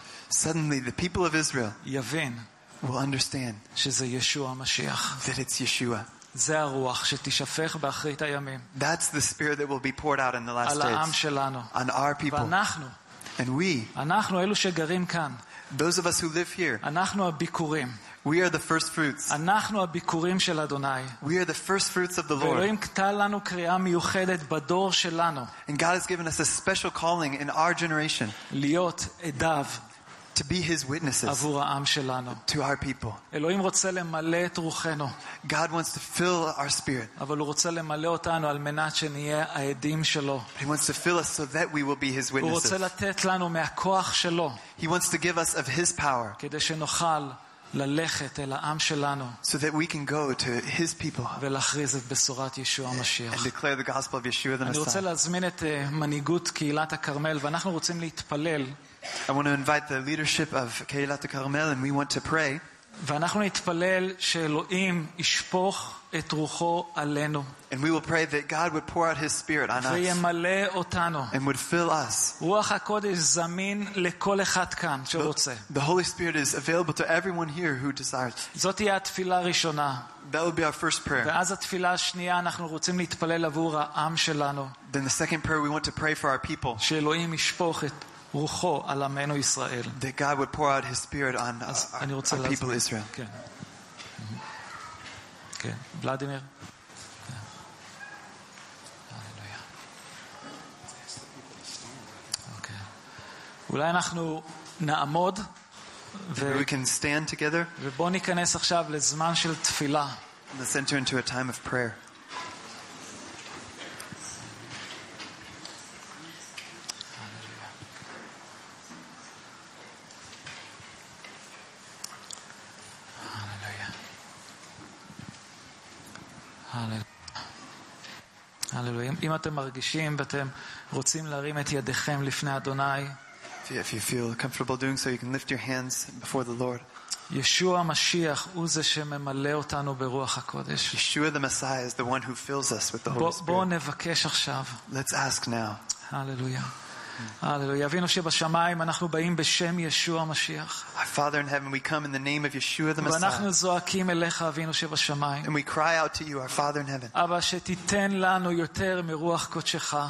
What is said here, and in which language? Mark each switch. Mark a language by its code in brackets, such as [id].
[en] Suddenly, the people of Israel will understand that it's Yeshua. [he] זה הרוח שתשפך באחרית הימים. [en] That's the spirit that will be poured out in the last days. On our people. [he] ואנחנו. [en] And we. [he] אנחנו אלו שגרים כאן. [en] Those of us who live here. [he] אנחנו הביקורים. [en] We are the first fruits. [he] אנחנו הביקורים של אדוני. [en] We are the first fruits of the Lord. [he] ואלוהים קטל לנו קריאה מיוחדת בדור שלנו. [en] And God has given us a special calling in our generation. [he] להיות עדיו. [en] To be his witnesses. [he] עבור העם שלנו. [en] To our people. [he] אלוהים רוצה למלא את רוחנו. [en] God wants to fill our spirit. [he] אבל הוא רוצה למלא אותנו על מנת שנהיה העדים שלו. [en] He wants to fill us so that we will be his witnesses. [he] הוא רוצה לתת לנו מהכוח שלו. [en] He wants to give us of his power. [he] כדי שנוכל ללכת אל העם שלנו. [en] So that we can go to his people. [he] ולהכריז את בשורת ישוע המשיח. [en] And declare the gospel of Yeshua the Messiah. [he] אני רוצה להזמין את מנהיגות קהילת הכרמל ואנחנו רוצים להתפלל. [en] I want to invite the leadership of Keilat Karmel and we want to pray. [he] ואנחנו נתפלל שאלוהים ישפוך את רוחו עלינו. [en] And we will pray that God would pour out his spirit on us. [he] וימלא אותנו. [en] And would fill us. [he] רוח הקודש זמין לכל אחד כאן שרוצה. [en] The Holy Spirit is available to everyone here who desires. [he] זאת תהיה התפילה הראשונה. [en] That will be our first prayer. [he] ואז התפילה השנייה אנחנו רוצים להתפלל עבור העם שלנו. [en] Then the second prayer we want to pray for our people. [he] שאלוהים ישפוך את רוחו על עמנו ישראל. [en] That God would pour out his spirit on our people Israel. [he] כן. כן. ולדימיר. הללויה. אוקיי. אולי אנחנו נעמוד [en] We can stand together. [he] ובוא ניכנס עכשיו לזמן של תפילה. [en] Let's enter into a time of prayer. [he] הללויה. אם אתם מרגישים ואתם רוצים להרים את ידיכם לפני אדוני. [en] If you feel comfortable doing so, you can lift your hands before the Lord. [he] ישוע המשיח הוא זה שממלא אותנו ברוח הקודש. [en] Yeshua the Messiah is the one who fills us with the Holy Spirit. [he] בוא נבקש עכשיו. [en] Let's ask now. [he] הללויה. הללויה, אבינו שבשמיים, אנחנו באים בשם ישוע המשיח. [en] Our Father in heaven, we come in the name of Yeshua the Messiah. [he] ואנחנו זועקים אליך, אבינו שבשמיים. [en] And we cry out to you, our Father in heaven. [he] אבא, שתיתן לנו יותר מרוח קודשך.